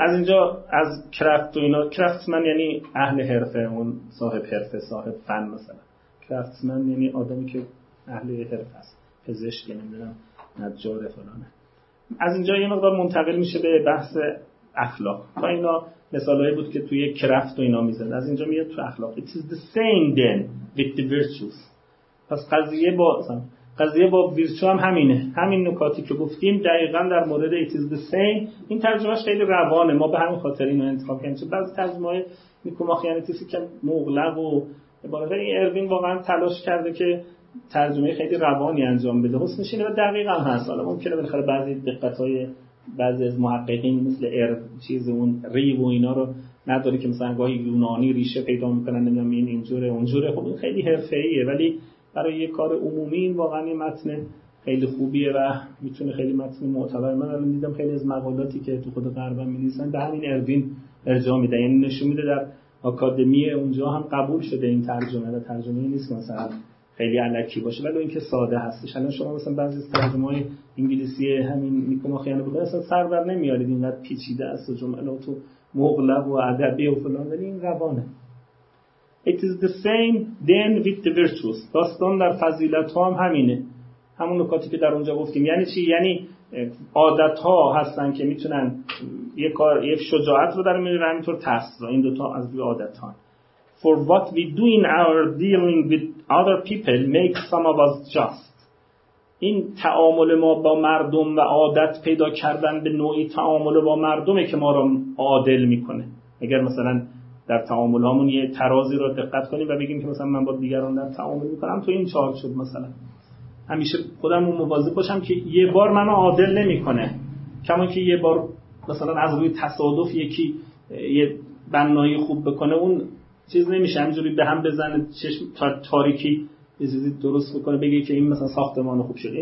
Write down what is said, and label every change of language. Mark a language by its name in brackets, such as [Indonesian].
[Persian] از اینجا از کرافت و اینا، کرافتمن یعنی اهل حرفه، اون صاحب حرفه، صاحب فن مثلا. کرافتمن یعنی آدمی که اهل حرفه است، پزشک نمیدونم، نجار فلانه. از اینجا یه مقدار منتقل میشه به بحث اخلاق. تا اینا مثالایی بود که توی کرافت و اینا میزد، از اینجا میاد تو اخلاق. [English] It is the same then with the virtues. [Persian] پس قضیه با ویرچو هم همینه، همین نکاتی که گفتیم دقیقا در مورد [English] it is the same. [Persian] این ترجمهش خیلی روانه، ما به همین خاطر اینو انتخاب کردیم، چون بعضی ترجمه‌های میکوماخیانتیسی که مغلق و عبارت، این اروین واقعا تلاش کرده که ترجمه خیلی روانی انجام بده، حسنش اینه و دقیقا هست. حالا ممکنه بالاخره بعضی دقت‌های بعضی از محققین مثل چیز اون ریو و اینا رو نداره که مثلا گاهی یونانی ریشه پیدا میکنن، نمیدونم این اینجوره اونجوره، خب این خیلی حرفه‌ایه، ولی برای یه کار عمومی این واقعا یه متن خیلی خوبیه و میتونه خیلی متن معتبر. من الان دیدم خیلی از مقالاتی که تو خود غربم می‌نویسن به همین اروین ارجاع میده، یعنی نشون میده در آکادمی اونجا هم قبول شده این ترجمه، و ترجمه نیست مثلا خیلی علکی باشه، ولی اینکه ساده هستش. الان شما مثلا بعضی از ترجمه‌های انگلیسی همین میکوماخیانه بوده اصلا سر بر نمیارید، اینقدر پیچیده است و جملات و مغلق و ادبی و فلان، ولی این روانه. [English] It is the same then with the virtues. [Persian] داستان در فضیلت ها هم همینه، همون نکاتی که در اونجا گفتیم. یعنی چی؟ یعنی عادت ها هستن که میتونن یک شجاعت رو در میارن، همینطور ترس رو، این دوتا از دوی عادت ها. [English] For what we do in our dealing with other people makes some of us just. [Persian] این تعامل ما با مردم و عادت پیدا کردن به نوعی تعامل با مردمه که ما رو عادل میکنه. اگر مثلا در تعامل هامون یه ترازی رو دقت کنیم و بگیم که مثلا من با دیگران در تعامل میکنم تو این چارچوب شد، مثلا همیشه خودم رو مواظب باشم که یه بار منو عادل نمیکنه، کما که یه بار مثلا از روی تصادف یکی یه بنای خوب بکنه اون چیز نمیشه، همینجوری به هم بزنه چشم تاریکی یه چیزی درست بکنه بگه که این مثلا ساختمان خوب شد.